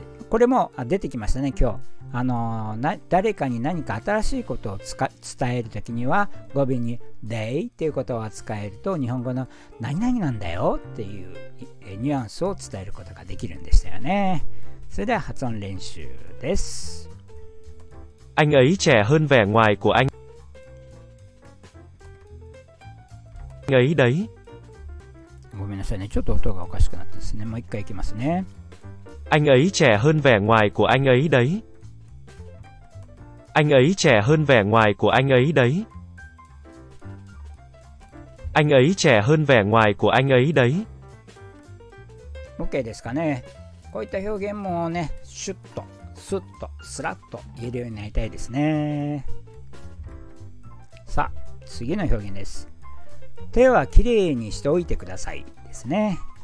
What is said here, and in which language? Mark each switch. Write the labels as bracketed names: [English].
[Japanese] これも出てきましたね今日。誰かに何か新しいことを伝えるときには語尾にでいっていうことを扱えると、日本語の何々なんだよっていうニュアンスを伝えることができるんでしたよね。それでは発音練習です。 [Vietnamese] Anh ấy trẻ hơn vẻ ngoài của anh. Anh ấy đấy. [Japanese] ごめんなさいね、ちょっと音がおかしくなったですね。もう一回いきますね。 [Vietnamese] Anh ấy trẻ hơn vẻ ngoài của anh ấy đấy. Anh ấy trẻ hơn vẻ ngoài của anh ấy đấy. Anh ấy trẻ hơn vẻ ngoài của anh ấy đấy. [Japanese] OK ですかね。こういった表現もね、シュッと。スッとスラッと言えるようになりたいですね。さあ次の表現です。手はきれいにしておいてくださいですね。